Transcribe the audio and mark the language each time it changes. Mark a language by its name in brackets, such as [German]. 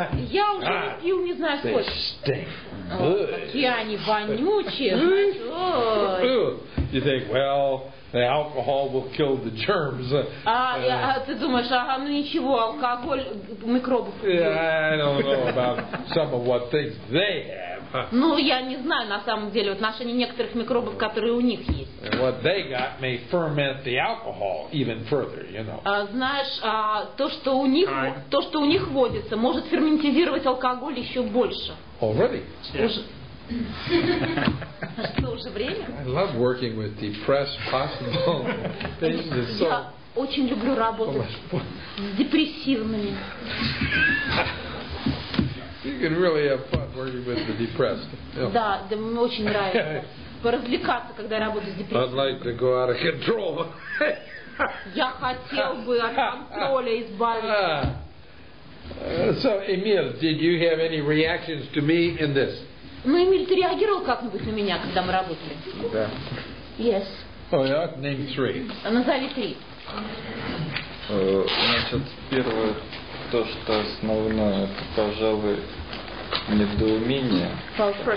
[Russian] Я уже не пью, не знаю сколько. [English] They stink. [Russian] Какие они вонючие. [English] You think, well, the alcohol will kill the germs. [Russian] Ты думаешь, ага, ну ничего, алкоголь микробов. [English] Yeah, I don't know about some of what things they have. [Russian] Ну, я не знаю, на самом деле, отношение некоторых микробов, которые у них есть. [English] And what they got may ferment the alcohol even further, you know. [Russian] То, что у них водится, может ферментизировать алкоголь еще больше. [English] Already? [Russian] Что, уже время? [English] I love working with depressed possible patients. [Russian] Я очень люблю работать с депрессивными. [English] You can really have fun working with the depressed. [Russian] Да, мне очень нравится поразвлекаться, когда я работаю с депрессивными. [English] I'd like to go out of control. [Russian] Я хотел бы от контроля избавиться. [English] So, Emil, did you have any reactions to me in this? [Russian] Ну, Эмиль, ты реагировал как-нибудь на меня, когда мы работали? Да. [English] Yes. Oh, yeah? Name three. [Russian] Назови три. Значит, первое, то, что основное, это, пожалуй, недоумение. [English] Well, first,